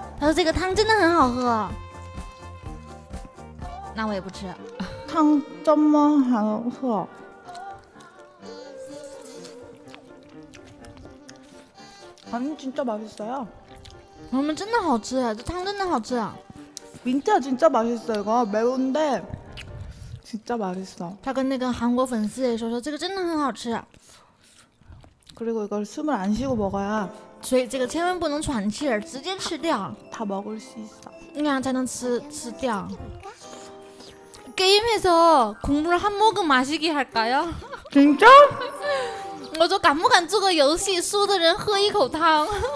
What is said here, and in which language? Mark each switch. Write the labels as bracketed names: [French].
[Chinese] 他说这个汤真的很好喝那我也不吃汤这么好喝 [Korean] 아니진짜맛있어요 [Chinese] 我们真的好吃这汤真的好吃 [Korean] 민트야진짜맛있어이거매운데진짜맛있어 [Chinese] 他跟那个韩国粉丝也说说这个真的很好吃 [Korean] 그리고이걸숨을안쉬고먹어야 [Chinese] 所以这个千万不能喘气儿直接吃掉 [Korean] 다먹을수있어 [Chinese] 那样才能吃掉 [Korean] 게임에서국물한모금마시기할까요 진짜 [Chinese] 我说敢不敢做个游戏输的人喝一口汤